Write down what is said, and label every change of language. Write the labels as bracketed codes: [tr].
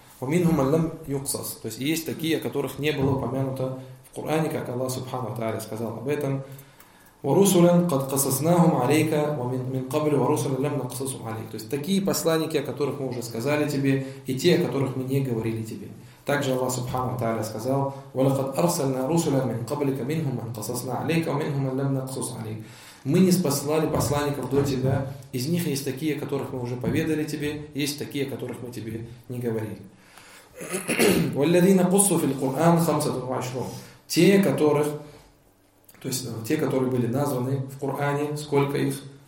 [ar] وَمِنْهُمَ لَمْ يُقْصَصْ. [ru] То есть есть такие, о которых не было упомянуто в Коране, как Аллах Субхану Тааля сказал об этом. [ar] وَرُسُلًا قَدْ قَصَصْنَاهُمْ عَلَيْكَ وَمِنْ قَبْلُ وَرُسُلًا لَمْ نَقْصَصُهُمْ عَلَيْكَ. [ru] То есть такие посланники, о которых мы уже сказали тебе, и те, о которых мы не говорили тебе. Также Аллах Субхану Тааля сказал: [ar] وَلَقَدْ أَرْسَلْنَا رُسُلًا مِنْ قَبْلِكَ مِنْهُمْ مَنْ قَصَصْنَا عَلَيْكَ وَمِنْهُمْ مَنْ لَمْ نَقْصَصْ عَلَيْكَ. [ru] Мы не спаслали посланников до тебя, из них есть такие, о которых мы уже поведали тебе, есть такие, о которых мы тебе не говорили. [ar] وَالَّذِينَ قُصُّوا فِي الْقُرْآنِ خَمْسَةُ وَعَشْرُونَ. [ru] Те, которых, то есть те, которые были названы в Коране, сколько их?